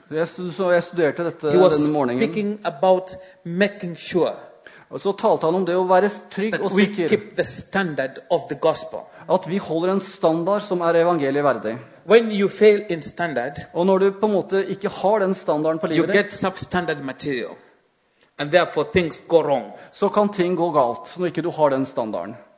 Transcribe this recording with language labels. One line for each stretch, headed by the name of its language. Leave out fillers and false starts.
Norwegian: jeg studerte dette
English: he was
Norwegian: denne morgenen,
English: speaking about making sure,
Norwegian: og så talte han om det å være trygg og sikker,
English: we keep the standard of the gospel,
Norwegian: at vi holder en standard som evangeliet verdig.
English: When you fail in standard,
Norwegian: og når du på en måte ikke har den standarden på livet,
English: you get substandard material, and therefore things go wrong,
Norwegian: så kan ting gå galt når ikke du har den standarden.